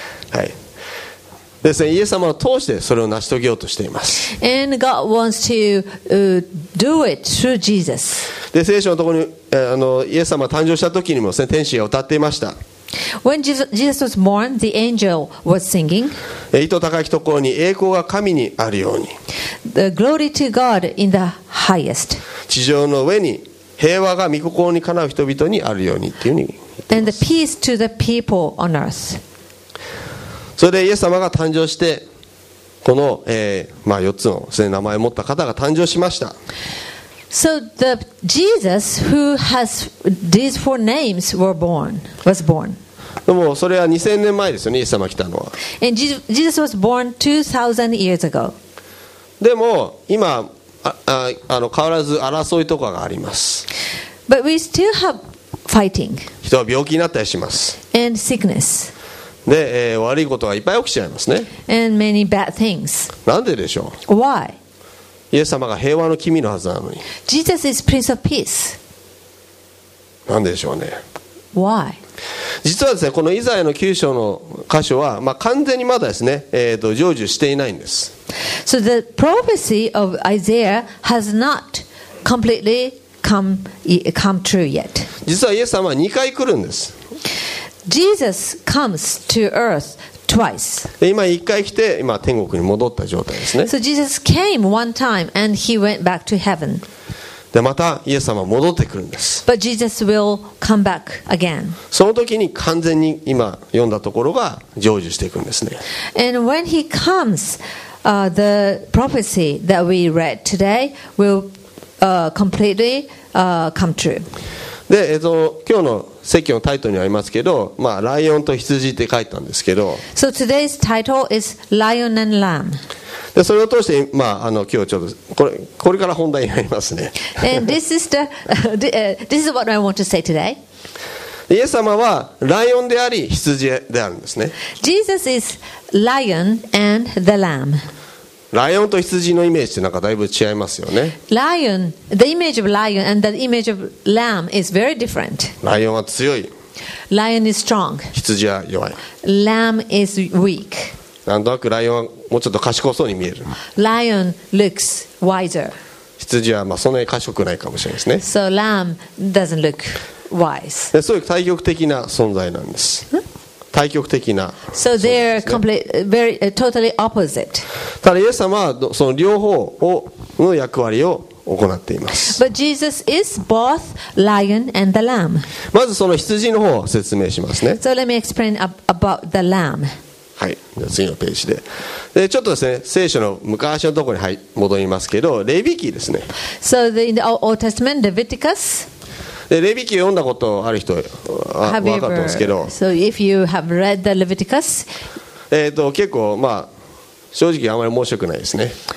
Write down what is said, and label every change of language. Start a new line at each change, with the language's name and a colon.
Japanese: はいですね、イエス様を通してそれを成し遂げようとしています。
English: And God wants to do it through Jesus.
Japanese: で聖書のところにイエス様が誕生した時にもです、ね、天使が歌っていました。
English: When Jesus was born, the angel was singing.
Japanese: 意図高きところに栄光が神にあるように。
English: The glory to God in the highest.
Japanese: 地上の上に平和が御心にかなう人々にあるようにっていうふうに言っています。
English: And the peace to the people on earth.
Japanese: それでイエス様が誕生してこの、まあ、4つの名前を持った方が誕生しました。
English: So the Jesus who has these four names was born.
Japanese: でもそれは2000年前ですよね、イエス様来たのは。
English: And Jesus was born 2000 years ago.
Japanese: でも今変わらず争いとかがあります。
English: But we still have fighting.
Japanese: 人は病気になったりします。
English: And sickness
Japanese: で、悪いことがいっぱい起きちゃいますね。
English: And many bad things.
Japanese: なんででしょう。
English: Why?
Japanese: イエス様が平和の君のはずなのに。
English: Jesus is Prince of Peace.
Japanese: なんででしょうね。
English: Why?
Japanese: 実はですね、このイザヤの9章の箇所は、まあ、完全にまだですね、成就していないんです。
English: So the prophecy of Isaiah has not completely come true yet.
Japanese: 実はイエス様は2回来るんです。
English: Jesus comes to earth twice.
Japanese: 今1回来て今天国に戻った状態ですね。
English: So Jesus came one time and he went back to heaven.
Japanese: でまたイエス様は戻ってくるんです。
English: But Jesus will come back again.
Japanese: その時に完全に今読んだところが成就していくんですね。
English: And when he comes, the prophecy that we read today will completely come true.
Japanese: で、今日の説教のタイトルにありますけど、まあ、ライオンと羊って書いたんですけど。
English: So today's title is Lion and Lamb.
Japanese: で、それを通して、まあ、今日ちょっとこれから本題になりますね。
English: And this is this is what I want to say today.
Japanese: イエス様はライオンであり羊であるんですね。
English: Jesus is lion and the lamb.
Japanese: ライオンと羊のイメージってなんかだいぶ違いますよね。
English: Lion, the image of lion and the image of lamb is very different.
Japanese: ライオンは強い。
English: Lion is strong.
Japanese: 羊は弱い。
English: Lamb is weak.
Japanese: なんとなくライオンはもうちょっと賢そうに見える。
English: Lion looks wiser.
Japanese: 羊はまあそんなに賢くないかもしれないですね。
English: So lamb doesn't look.
Japanese: でそういう対極的な存在なんです。対極的な存在です、ね。
English: So they're complete, very, totally opposite.
Japanese: ただイエス様はその両方をの役割を行っています。
English: But Jesus is both lion and the lamb.
Japanese: まずその羊の方を説明しますね。
English: So let me explain about the lamb.
Japanese: はい、じゃあ次のページ でちょっとですね、聖書の昔のところに戻りますけど、レビ記ですね。
English: So in the Old Testament, Leviticus.
Japanese: でレビ記を読んだことある人は分かったんですけど、
English: so if you have read the Leviticus,
Japanese: 結構、まあ、正直あまり面白くないですね。